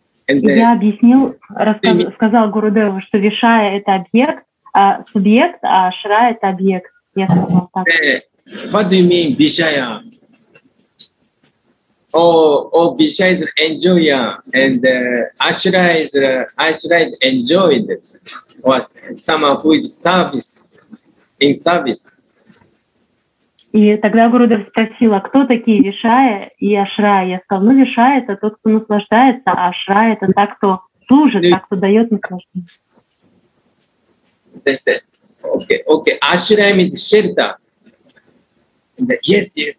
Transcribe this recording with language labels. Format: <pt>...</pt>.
<en>And then,</en> <ru>я объяснил, сказал Гурудеву, что Вишая — это объект, а субъект, а Ашрая — это объект. Я сказал так.</ru> <en>What do you mean, Vishaya? Oh, Vishaya is enjoying, and Ashraya is enjoyed, or someone who is in service.</en> <ru>И тогда Гурудев спросил, а кто такие Вишая и Ашрая? Я сказал, ну Вишая это тот, кто наслаждается, а Ашрая это та, кто служит, та, кто дает наслаждение.</ru> <en>That's it. Okay. Ashraya means shelter. Yes.</en>